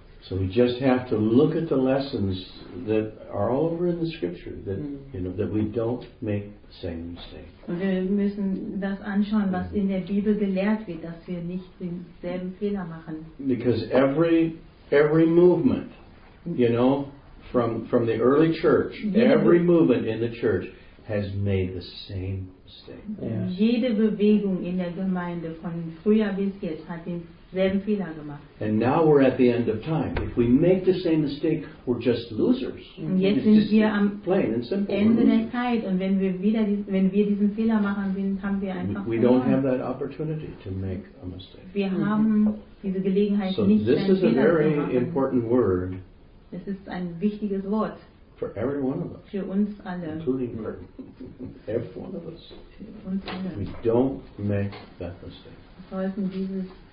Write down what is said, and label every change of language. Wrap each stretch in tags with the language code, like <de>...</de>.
<en>So we just have to look at the lessons that are all over in the Scripture that you know that we don't make the same mistake.</en> <de>Und wir müssen das anschauen, was in der Bibel gelehrt wird, dass wir nicht denselben Fehler machen.</de> <en>Because every movement, you know, from the early church, every movement in the church has made the same mistake. Yeah.</en> <de>Jede Bewegung in der Gemeinde von früher bis jetzt hat den selben Fehler gemacht.</de> <en>And now we're at the end of time. If we make the same mistake, we're just losers.</en> <de>Und jetzt sind wir am Ende der Zeit. Und wenn wir wieder diesen Fehler machen, haben wir einfach verloren.</de> <en>We don't have that opportunity to make a mistake.</en> <de>Wir haben diese Gelegenheit nicht, einen Fehler zu machen.</de> <en>So this is a very important word.</en> <de>Es ist ein wichtiges Wort.</de> <en>For every one of us.</en> <de>Für uns alle.</de> <en>Including her. Every one of us.</en> <de>Für uns alle.</de> <en>We don't make that mistake.</en>